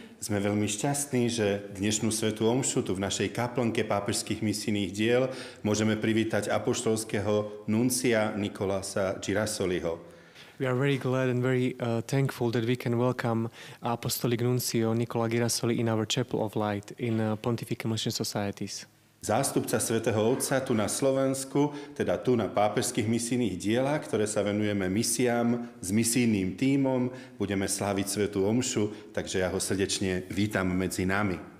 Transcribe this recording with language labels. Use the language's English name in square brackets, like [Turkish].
[Slovak] Sme veľmi šťastní, že dnešnú svätú omšu tu v našej kaplnke pápežských misijných diel môžeme privítať apoštolského nuncia Nicolasa Girasoliho. [English] We are very glad and very thankful that we can welcome apostolic nuncio Nicola Girasoli in our Chapel of Light in Pontifical Mission Societies. [Slovak] Zástupca Svätého Otca tu na Slovensku, teda tu na pápežských misijných dielách, ktoré sa venujeme misiám s misijným tímom, budeme sláviť svätú omšu, takže ja ho srdečne vítam medzi nami.